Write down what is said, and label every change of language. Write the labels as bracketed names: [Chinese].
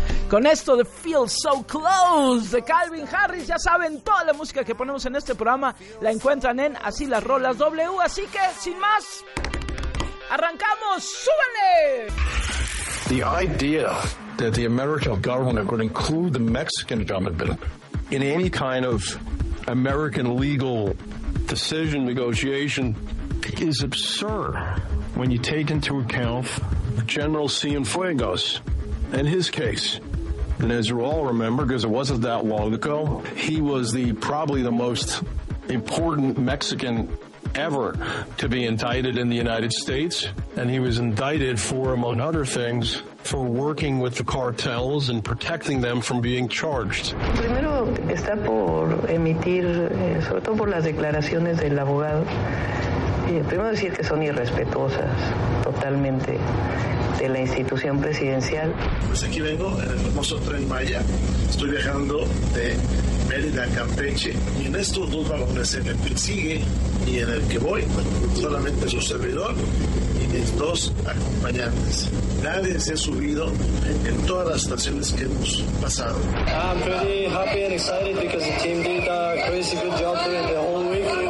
[Spanish] Con esto de Feel So Close de Calvin Harris, ya saben, toda la música que ponemos en este programa la encuentran en Así Las Rolas W. Así que, sin más, ¡arrancamos! ¡Súbele! [English] The idea that the American government would include the Mexican government in any kind of American legal decision negotiation is absurd when you take into account General Cienfuegos and his case. And as you all remember, because it wasn't that long ago, he was the probably the most important Mexican ever to be indicted in the United States. And he was indicted for, among other things, for working with the cartels and protecting them from being charged. [Spanish] Primero está por emitir, sobre todo por las declaraciones del abogado, primero decir que son irrespetuosas totalmente de la institución presidencial. Pues aquí vengo en el famoso Tren Maya. Estoy viajando de Mérida a Campeche. Y en estos dos vagones, en el que sigue y en el que voy, solamente su servidor y mis dos acompañantes. Nadie se ha subido en todas las estaciones que hemos pasado. [English] I'm pretty happy and excited because the team did a crazy good job during the whole week.